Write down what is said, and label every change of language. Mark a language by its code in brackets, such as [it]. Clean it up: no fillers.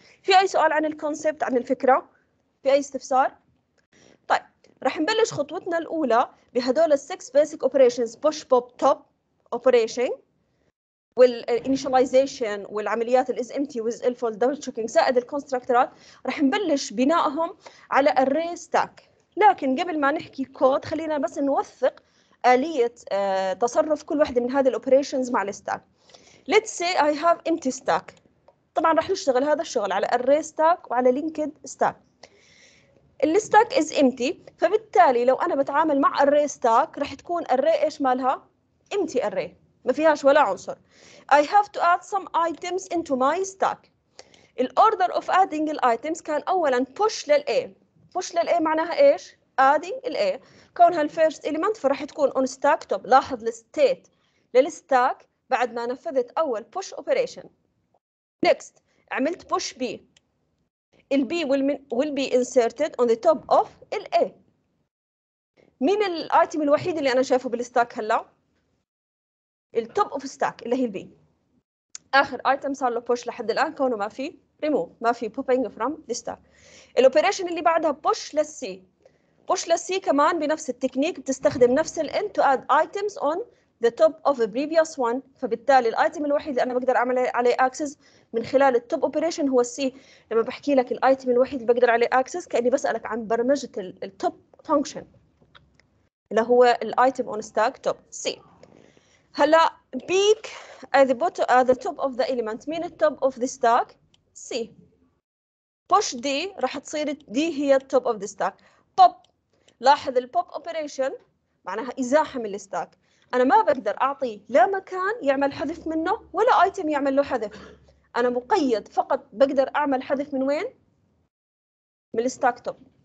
[ar] في اي سؤال عن الكونسبت عن الفكره؟ في اي استفسار؟ طيب راح نبلش خطوتنا الاولى بهذول السكس بيسك اوبريشنز، بوش بوب توب اوبريشن والانيشاليزيشن والعمليات الاز امتي ويز الفول دبل تشيكينج زائد الكونستراكترات. راح نبلش بنائهم على الري ستاك، لكن قبل ما نحكي كود خلينا بس نوثق آلية تصرف كل واحدة من هذه الأوبريشنز مع الستاك. [en] Let's say I have empty stack. [ar] طبعا راح نشتغل هذا الشغل على الري ستاك وعلى لينكد ستاك. الستاك از امتي، فبالتالي لو أنا بتعامل مع الري ستاك راح تكون الري ايش مالها؟ امتي الري، ما فيهاش ولا عنصر. [en] I have to add some items into my stack. The order of adding the items [ar] كان اولا [en] push لل A. [ar] push لل A معناها ايش؟ adding ال A. كونها ال [en] first element [ar] فراح تكون [en] on stack top. [ar] لاحظ ال state لل stack بعد ما نفذت اول [en] push operation. next [ar] عملت [en] push B. ال B will be inserted on the top of ال A. [ar] مين ال item الوحيد اللي انا شايفه بال stack هلا؟ [en] التوب of stack [ar] اللي هي البي. اخر ايتم صار له بوش لحد الان كونه ما في ريموف، ما في [en] Popping from the stack. [ar] الاوبريشن اللي بعدها بوش للسي. بوش للسي كمان بنفس التكنيك، بتستخدم نفس [en] الان to add items on the top of previous one, [ar] فبالتالي الايتم الوحيد اللي انا بقدر اعمل عليه اكسس من خلال التوب اوبريشن هو السي. لما بحكي لك الايتم الوحيد اللي بقدر عليه اكسس كاني بسالك عن برمجه التوب فانكشن اللي هو الايتم [en] on stack top [ar] سي. هلا بيك [en] at the bottom at the top of the element، [ar] مين [en] التوب of the stack? C. [ar] بوش دي راح تصير دي هي [en] التوب of the stack. [ar] بوب، لاحظ البوب اوبريشن معناها ازاحه من الستاك. انا ما بقدر اعطي لا مكان يعمل حذف منه ولا ايتم يعمل له حذف، انا مقيد فقط بقدر اعمل حذف من وين؟ من الستاك توب.